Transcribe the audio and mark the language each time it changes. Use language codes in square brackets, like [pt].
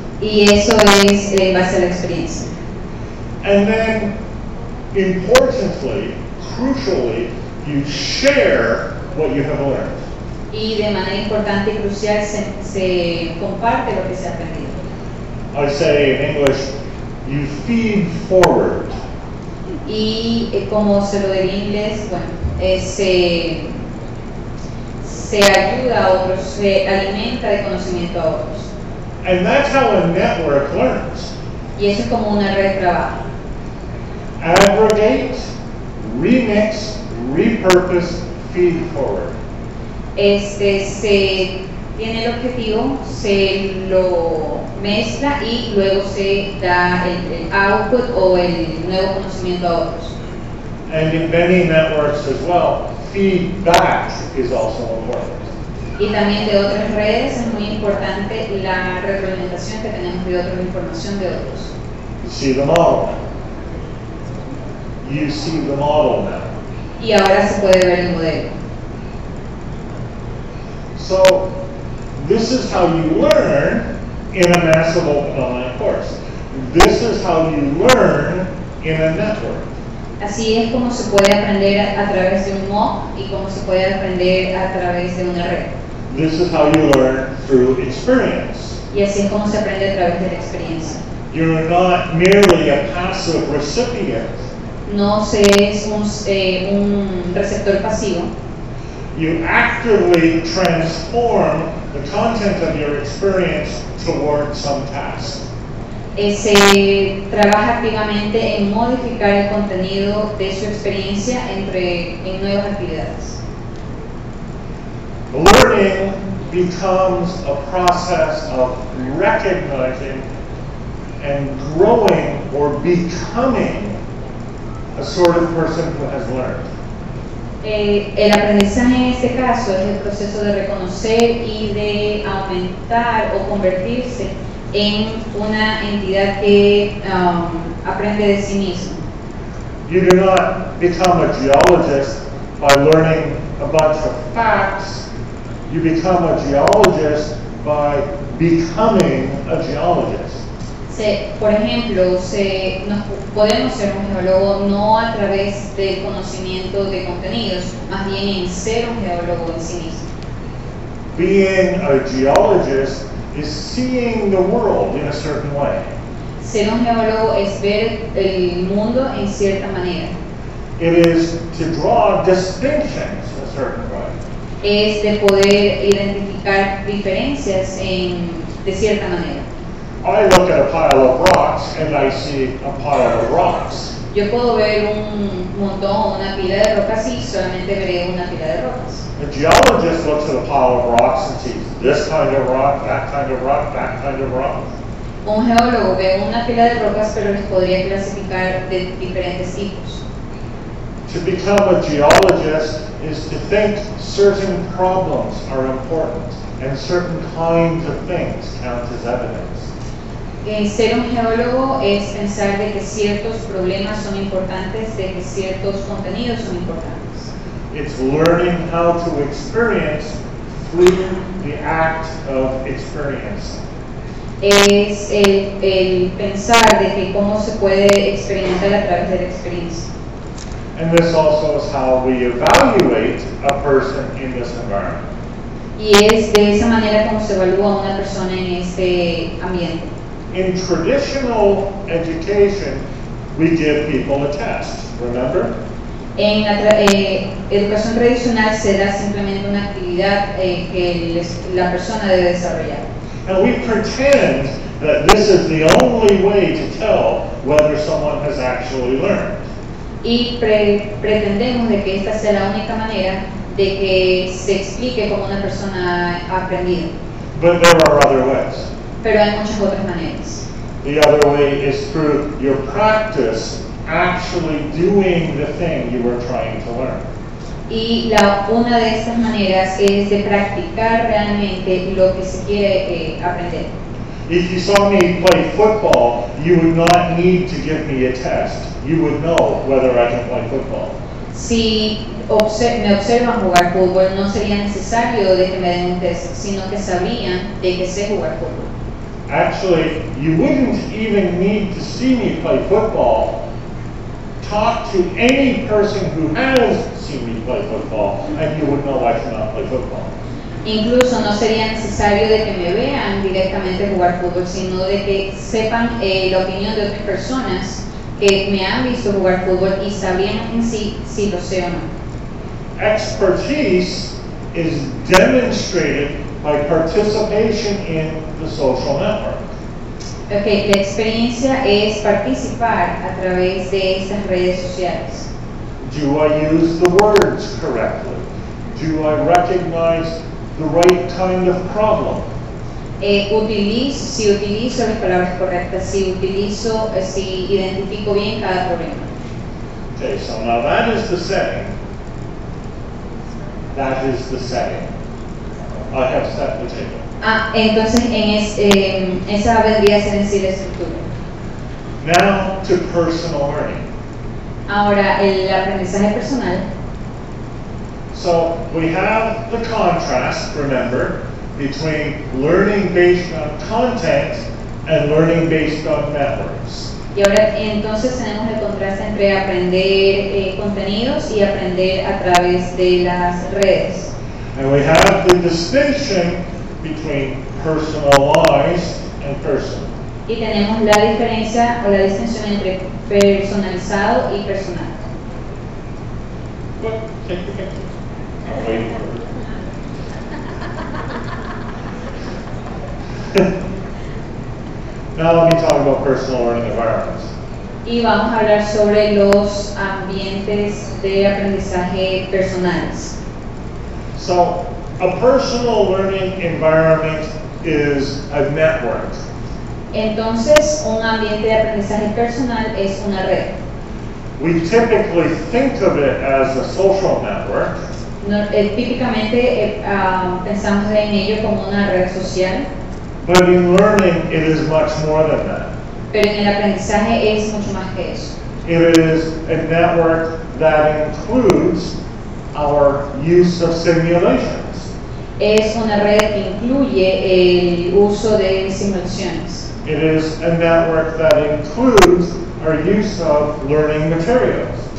[es] Y eso es en base a la experiencia. [en] And then, importantly, crucially, you share what you have learned. [es] Y de manera importante y crucial se comparte lo que se ha aprendido. [en] I say in English, you feed forward. [es] Y como se lo diría en inglés, bueno, se ayuda a otros, se alimenta de conocimiento a otros. [en] And that's how a network learns. [es] Y eso es como una red de trabajo. [en] Aggregate, remix, repurpose, feed forward. [es] Se tiene el objetivo, se lo mezcla y luego se da el output o el nuevo conocimiento a otros. [en] And in many networks as well, feedback is also important. [es] Y también de otras redes es muy importante la retroalimentación que tenemos de otros, información de otros. [en] See the model. You see the model now. [es] Y ahora se puede ver el modelo. [en] So, this is how you learn in a massive open online course. This is how you learn in a network. [es] Así es como se puede aprender a través de un MOOC y como se puede aprender a través de una red. [en] This is how you learn through experience. [es] Y así es como se aprende a través de la experiencia. [en] You're not merely a passive recipient. [es] No se es un receptor pasivo. [en] You actively transform the content of your experience towards some task. [es] Se trabaja activamente en modificar el contenido de su experiencia en nuevas actividades. [en] Learning becomes a process of recognizing and growing or becoming a sort of person who has learned. [es] El aprendizaje en este caso es el proceso de reconocer y de aumentar o convertirse en una entidad que aprende de sí mismo. [en] You do not become a geologist by learning a bunch of facts. You become a geologist by becoming a geologist. [es] Por ejemplo, podemos ser un geólogo no a través del conocimiento de contenidos, más bien en ser un geólogo en sí mismo. [en] Being a geologist is seeing the world in a certain way. [es] Ser un geólogo es ver el mundo en cierta manera. [en] It is to draw distinctions a certain way. [es] Es de poder identificar diferencias de cierta manera. [en] I look at a pile of rocks and I see a pile of rocks. [es] Yo puedo ver un montón, una pila de rocas y solamente veré una pila de rocas. [en] A geologist looks at a pile of rocks and sees this kind of rock, that kind of rock, that kind of rock. [es] Un geólogo ve una pila de rocas pero les podría clasificar de diferentes tipos. [en] To become a geologist is to think certain problems are important and certain kinds of things count as evidence. [es] Ser un geólogo es pensar de que ciertos problemas son importantes, de que ciertos contenidos son importantes. [en] It's learning how to experience through the act of experience. [es] Es el pensar de que cómo se puede experimentar a través de la experiencia. [en] And this also is how we evaluate a person in this environment. [es] Y es de esa manera como se evalúa a una persona en este ambiente. [en] In traditional education, we give people a test, remember? [es] En la educación tradicional se da simplemente una actividad que la persona debe desarrollar. [en] And we pretend that this is the only way to tell whether someone has actually learned. [es] Y pretendemos de que esta sea la única manera de que se explique cómo una persona ha aprendido. [en] But there are other ways. [es] Pero hay muchas otras maneras. [en] The other way is through your practice actually doing the thing you were trying to learn. [es] Y una de estas maneras es de practicar realmente lo que se quiere aprender. [en] If you saw me play football, you would not need to give me a test. You would know whether I can play football. [es] Si me observan jugar fútbol, no sería necesario de que me den un test, sino que sabrían de que sé jugar fútbol. [en] Actually, you wouldn't even need to see me play football. Talk to any person who has seen me play football, and you would know I cannot play football. [es] Incluso no sería necesario de que me vean directamente jugar fútbol, sino de que sepan la opinión de otras personas que me han visto jugar fútbol y sabían en sí si lo sé o no. [en] Expertise is demonstrated by participation in the social network. [es] Okay, la experiencia es participar a través de estas redes sociales. [en] Do I use the words correctly? Do I recognize the right kind of problem? [es] Si utilizo las palabras correctas, si identifico bien cada problema. [en] Okay, so now that is the setting. That is the setting. I have set the table. [es] Entonces esa vendría a ser en sí la estructura. [en] Now to personal learning. [es] Ahora el aprendizaje personal. [en] So we have the contrast, remember, between learning based on content and learning based on networks. [es] Y ahora entonces tenemos el contraste entre aprender contenidos y aprender a través de las redes. [en] And we have the distinction between personalized and personal. [es] Y tenemos la diferencia o la distinción entre personalizado y personal. [en] I'll wait for it. Now let me talk about personal learning environments. [es] Y vamos a hablar sobre los ambientes de aprendizaje personales. [en] So, a personal learning environment is a network. [es] Entonces, un ambiente de aprendizaje personal es una red. [en] We typically think of it as a social network. [es] Típicamente pensamos en ello como una red social. [en] But in learning, it is much more than that. [es] Pero en el aprendizaje es mucho más que eso. [en] It is a network that includes our use of simulations. [es] Es una red que incluye el uso de simulaciones. [en] It is a network that includes our use of learning materials.